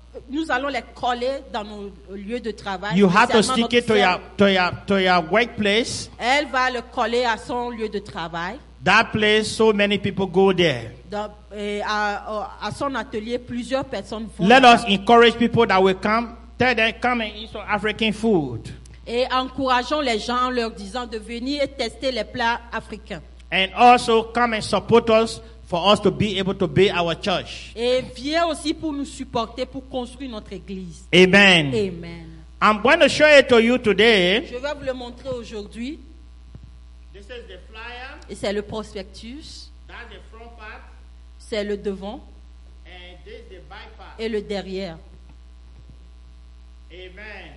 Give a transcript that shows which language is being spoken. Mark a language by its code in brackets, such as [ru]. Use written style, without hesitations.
[fr] Nous allons les coller dans nos lieux de travail. [en] You have to stick it to your workplace. [fr] Elle va le coller à son lieu de travail. [en] That place, so many people go there. [fr] À son atelier, plusieurs personnes vont. [en] Let us encourage people that will come. Tell them come and eat some African food. [fr] Et encourageons les gens en leur disant de venir et tester les plats africains. [en] And also come and support us for us to be able to build our church. [fr] Et viens aussi pour nous supporter pour construire notre église. Amen. Amen. [en] I'm going to show it to you today. [fr] Je vais vous le montrer aujourd'hui. [en] This is the flyer. [fr] Et c'est le prospectus. [en] That's the front part. [fr] C'est le devant. [en] And this is the back part. [fr] Et le derrière. Amen.